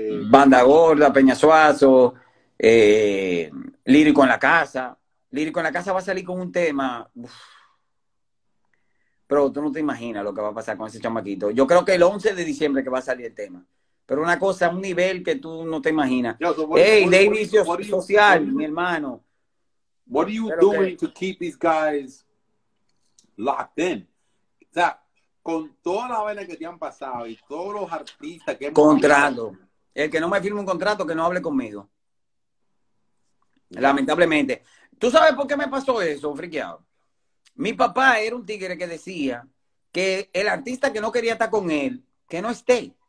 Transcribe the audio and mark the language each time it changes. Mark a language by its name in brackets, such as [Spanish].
[Spanish] Banda Gorda, Peñasuazo, Lírico en la Casa. Lírico en la Casa va a salir con un tema. Uf. Pero tú no te imaginas lo que va a pasar con ese chamaquito. Yo creo que el 11 de diciembre que va a salir el tema. Pero una cosa, un nivel que tú no te imaginas. Hey, David Social, mi hermano. [English] What are you doing to keep these guys locked in? [Spanish] O sea, con toda la vaina que te han pasado y todos los artistas que... Contrato. El que no me firme un contrato, que no hable conmigo. Lamentablemente. ¿Tú sabes por qué me pasó eso, friqueado? Mi papá era un tigre que decía que el artista que no quería estar con él, que no esté.